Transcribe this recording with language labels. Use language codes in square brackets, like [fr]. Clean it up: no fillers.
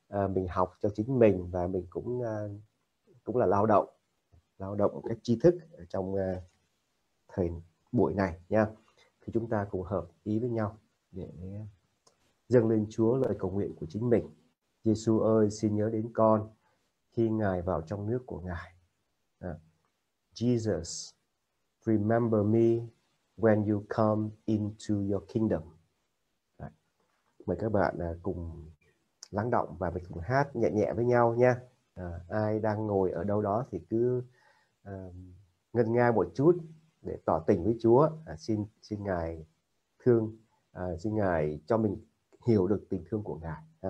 [vi] Mình học cho chính mình và mình cũng cũng là lao động các tri thức ở trong thời buổi này nha. Thì chúng ta cùng hợp ý với nhau để dâng lên Chúa lời cầu nguyện của chính mình. Giêsu ơi, xin nhớ đến con khi Ngài vào trong nước của Ngài. [en] Jesus, remember me when you come into your kingdom. [vi] Mời các bạn cùng lắng đọng và mình cùng hát nhẹ nhẹ với nhau nha. Ai đang ngồi ở đâu đó thì cứ ngân nga một chút để tỏ tình với Chúa. Xin xin Ngài thương, xin Ngài cho mình hiểu được tình thương của Ngài.